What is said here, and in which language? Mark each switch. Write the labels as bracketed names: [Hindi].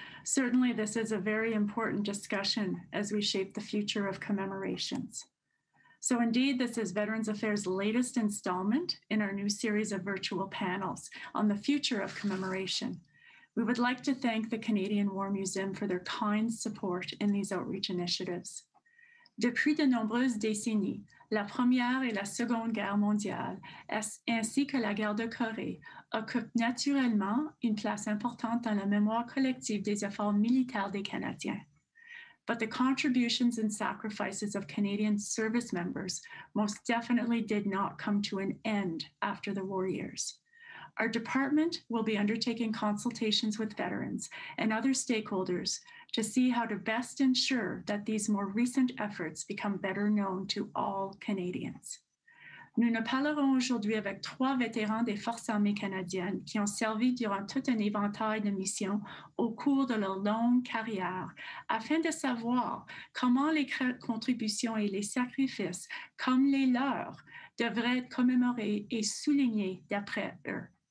[English] Certainly, this is a very important discussion as we shape the future of commemorations. So indeed, this is Veterans Affairs' latest installment in our new series of virtual panels on the future of commemoration. We would like to thank the Canadian War Museum for their kind support in these outreach initiatives. [French] Depuis de nombreuses décennies, la Première et la Seconde Guerre mondiale, ainsi que la guerre de Corée, occupent naturellement une place importante dans la mémoire collective des efforts militaires des Canadiens. [English] But the contributions and sacrifices of Canadian service members most definitely did not come to an end after the war years. Our department will be undertaking consultations with veterans and other stakeholders to see how to best ensure that these more recent efforts become better known to all Canadians. [French] Nous ne parlerons aujourd'hui avec trois vétérans des Forces armées canadiennes qui ont servi durant tout un éventail de missions au cours de leur longue carrière afin de savoir comment les contributions et les sacrifices, comme les leurs, devraient être commémorés et soulignés d'après eux.